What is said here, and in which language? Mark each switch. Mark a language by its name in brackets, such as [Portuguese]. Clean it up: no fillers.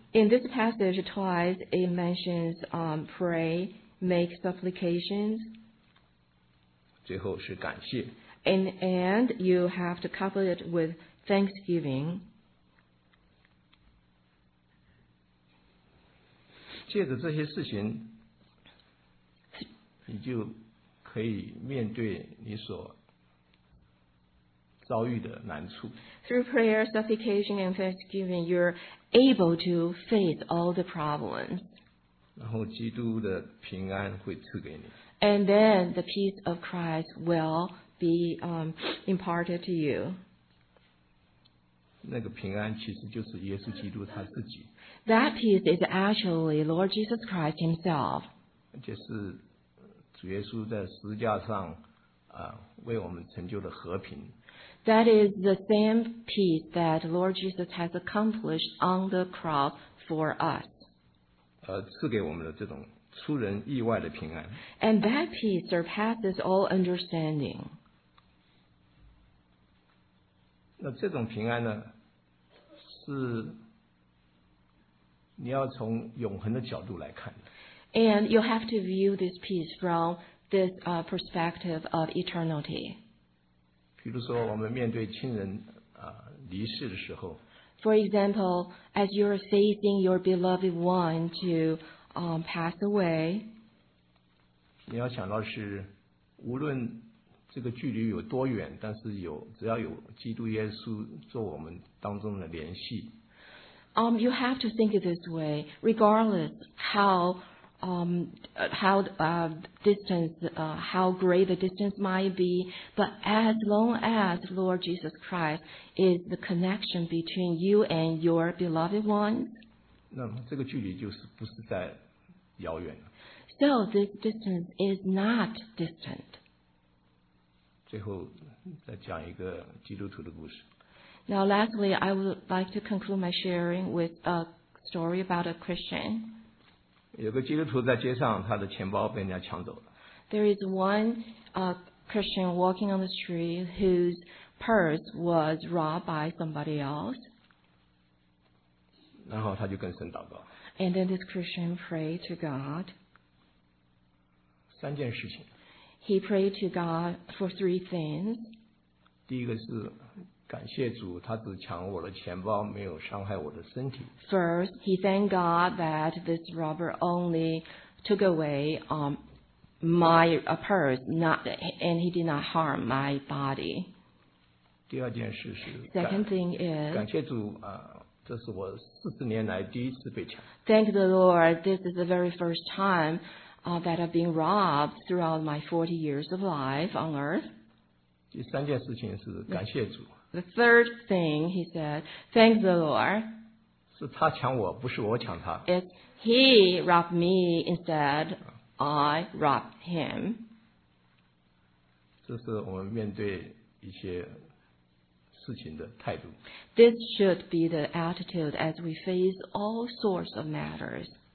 [English] In this passage, twice it mentions pray, make supplications. [Chinese] 最后是感谢。 [English] In the end, you have to couple it with thanksgiving. [Chinese] 借着这些事情，你就可以面对你所 [English] Through prayer, supplication, and thanksgiving, you're able to face all the problems. [Chinese] 然后基督的平安会赐给你。 [English] And then the peace of Christ will be imparted to you. [Chinese] 那个平安其实就是耶稣基督他自己。 [English] That peace is actually Lord Jesus Christ himself. [Chinese] 就是主耶稣在十字架上为我们成就的和平。 [English] That is the same peace that Lord Jesus has accomplished on the cross for us. [Chinese] 赐给我们的这种出人意外的平安。 [English] And that peace surpasses all understanding. [Chinese] 那这种平安呢，是你要从永恒的角度来看。 [English] And you have to view this peace from this perspective of eternity. [Chinese] 比如说我们面对亲人离世的时候。 [English] For example, as you're facing your beloved one to pass away. [Chinese] 你要想到是无论这个距离有多远，但是有只要有基督耶稣做我们当中的联系。 [English] You have to think it this way, regardless how great the distance might be, but as long as Lord Jesus Christ is the connection between you and your beloved ones, [Chinese] 那这个距离就是不是在遥远。 [English] So this distance is not distant. [Chinese] 最后再讲一个基督徒的故事。 [English] Now, lastly, I would like to conclude my sharing with a story about a Christian. [Chinese] 有个基督徒在街上，他的钱包被人家抢走了。 [English] There is one Christian walking on the street whose purse was robbed by somebody else. [Chinese] 然后他就跟神祷告。 [English] And then this Christian prayed to God. [Chinese] 三件事情。 [English] He prayed to God for three things. [Chinese] 第一个是感谢主，他只抢我的钱包，没有伤害我的身体。 [English] First, he thanked God that this robber only took away my purse, and he did not harm my body. [Chinese] 第二件事是 [English] Second thing is [Chinese] 感谢主这是我40年来第一次被抢。 [English] Thank the Lord, this is the very first time that I've been robbed throughout my 40 years of life on earth. [Chinese] 第三件事情是感谢主。 [English] The third thing he said, thank the Lord. [Chinese] 是他抢我，不是我抢他。 [English] It's he robbed me instead, I robbed him. [Chinese] 这是我们面对一些事情的态度。 [English] This should be the attitude as we face all sorts of matters.